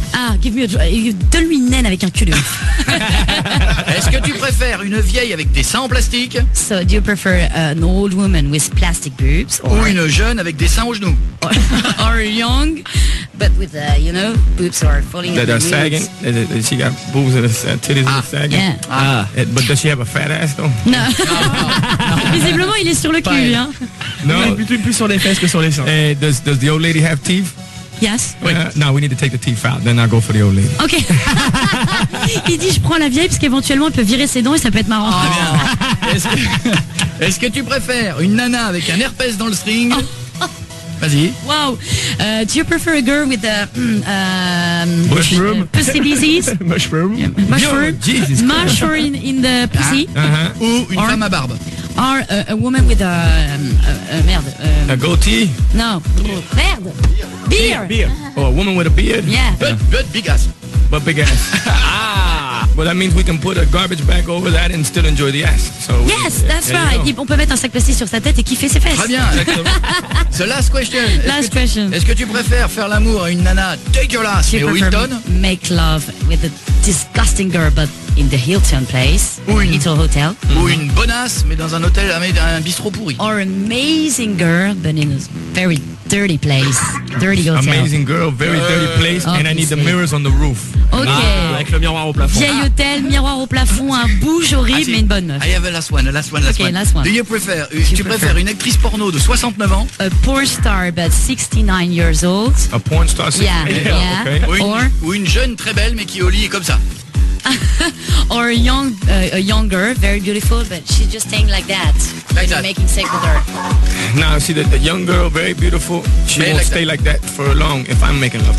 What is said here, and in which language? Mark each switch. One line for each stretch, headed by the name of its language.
French: Donne-lui une naine avec un cul de ouf. Est-ce que tu préfères une vieille avec des seins en plastique?
English: So do you prefer an old woman with plastic boobs?
French: Ou une jeune avec des seins aux genoux?
English: Or young, but with boobs are falling. That are sagging. She got boobs and titties are sagging. Yeah. But does she have a fat ass though? No.
French: Visiblement, il est sur le cul, lui, hein. Non, plus sur les fesses que sur les seins.
English: Hey, does the old lady have teeth? Yes. No, we need to take the teeth out, then I'll go for the old lady. Okay.
French: Il dit, je prends la vieille parce qu'éventuellement elle peut virer ses dents et ça peut être marrant. Oh, est-ce que tu préfères une nana avec un herpès dans le string? Vas-y.
English: Wow. Do you prefer a girl with a mushroom? Pussy disease? Mushroom. Yeah, mushroom. Yo, Jesus. Mushroom in the pussy.
French: Ou une femme à barbe.
English: Or a woman with a goatee? No. Merde. Beer. Or a woman with a beard? Yeah. But big ass. But big ass. Well, that means we can put a garbage bag over that and still enjoy the ass. That's right.
French: On peut mettre un sac plastique sur sa tête et kiffer ses fesses. Très bien.
English: The last question.
French: Est-ce que tu préfères faire l'amour à une nana dégueulasse et au Hilton?
English: Make love with a disgusting girl, but in the Hilton place, little hotel.
French: Ou une bonasse, mais dans un hôtel, un bistrot pourri.
English: Or amazing girl, but in a very dirty place. Dirty hotel. Amazing girl, very dirty place, and I need the mirrors on the roof. Okay.
French: Avec le miroir au plafond. Vieil hôtel, miroir au plafond, un bouge horrible, mais une bonne meuf.
English: I have a last one. Okay, Do you prefer?
French: Tu préfères une actrice porno de 69 ans?
English: A porn star, but 69 years old. A porn star, 69 years old.
French: Ou une jeune très belle, mais qui au lit est comme ça.
English: or young, a young girl, very beautiful, but she's just staying like that. Like that. Making sex with her. Now, see, the young girl, very beautiful, she won't like stay that. Like that for long if I'm making love.